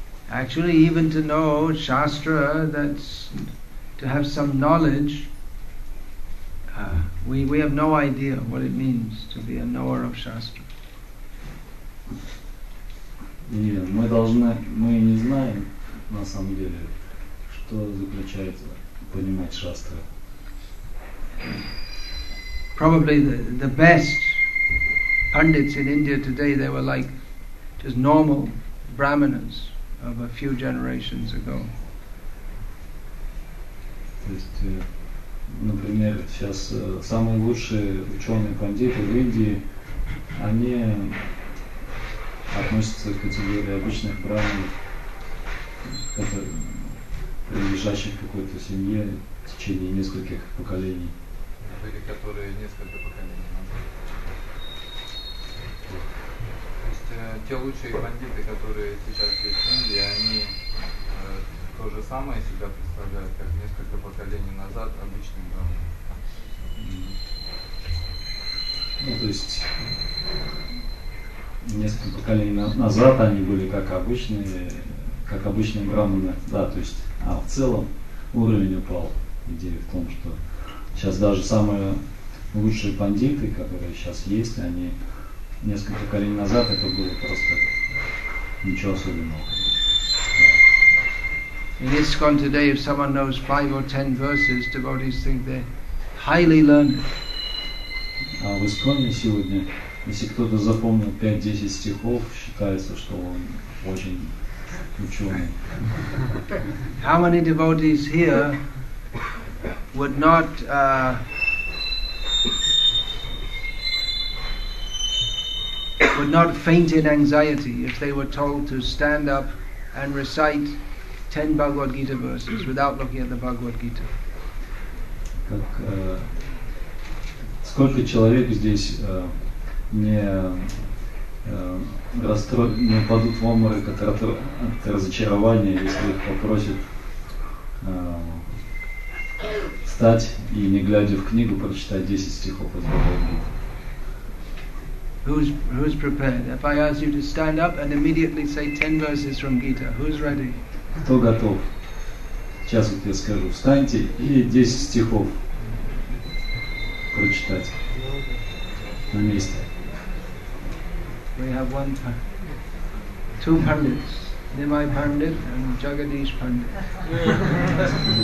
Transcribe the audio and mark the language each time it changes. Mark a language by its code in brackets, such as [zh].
[en] Actually, even to know shastra, that's to have some knowledge. We have no idea what it means to be a knower of shastra. [ru] Мы не знаем на самом деле, что заключается. Понимать шастры. [en] probably the best pundits in India today, they were like just normal brahmanas of a few generations ago. [ru] Например, сейчас самые лучшие ученые-пандиты в Индии, они относятся к категории обычных брахманов, принадлежащих какой-то семье в течение нескольких поколений. Или которые несколько поколений назад. То есть те лучшие пандиты, которые сейчас есть в Индии, они то же самое себя представляют, как несколько поколений назад обычным брахманом. Ну, то есть несколько поколений назад они были как обычные брахманы, да, то есть, а в целом уровень упал. Идея в том, что сейчас даже самые лучшие пандиты, которые сейчас есть, они несколько поколений назад это было просто ничего особенного. [en] In ISKCON today, if someone knows 5 or 10 verses, devotees think they're highly learned. [ru] А в ИСККОНе сегодня, если кто-то запомнил 5-10 стихов, считается, что он очень ученый. [en] How many devotees here would not faint in anxiety if they were told to stand up and recite 10 Bhagavad Gita verses without looking at the Bhagavad Gita? [ru] Сколько человек здесь не падут в обморок от разочарования, если их попросят встать и, не глядя в книгу, прочитать 10 стихов из Бхагавад Гиты? [en] Who's prepared? If I ask you to stand up and immediately say 10 verses from Gita, who's ready? [ru] Кто готов? Сейчас вот я скажу, встаньте и 10 стихов прочитать. На месте. [en] We have one two pandits, Nimai Pandit and Jagadish Pandit.